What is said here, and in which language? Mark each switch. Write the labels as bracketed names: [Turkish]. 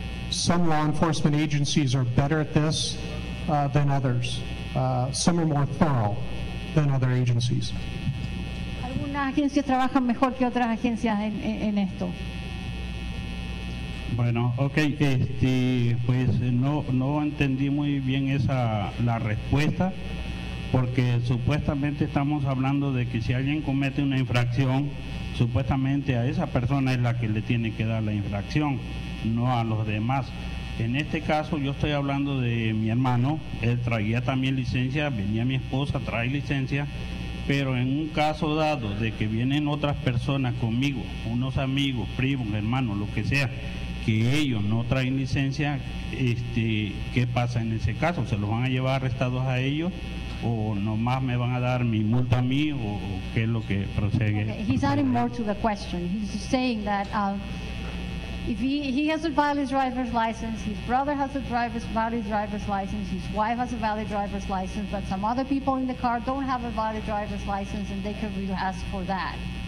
[English] Some law enforcement agencies are better at this than others. Some are more thorough than other agencies. [Spanish] Algunas agencias trabajan mejor que otras agencias en esto. Bueno, okay, pues no entendí muy bien esa la respuesta, porque supuestamente estamos hablando de que si alguien comete una infracción, supuestamente a esa persona es la que le tiene que dar la infracción, no a los demás. En este caso yo estoy hablando de mi hermano, él traía también licencia, venía mi esposa, trae licencia, pero en un caso dado de que vienen otras personas conmigo, unos amigos, primos, hermanos, lo que sea, que ellos no traen licencia, ¿qué pasa en ese caso? ¿Se los van a llevar arrestados a ellos o nomás me van a dar mi multa a mí o qué es lo que procede? [English] Okay. He's adding more to the question. He's saying that if he has a valid driver's license, his brother has a valid driver's license, his wife has a valid driver's license, but some other people in the car don't have a valid driver's license and they could ask for that.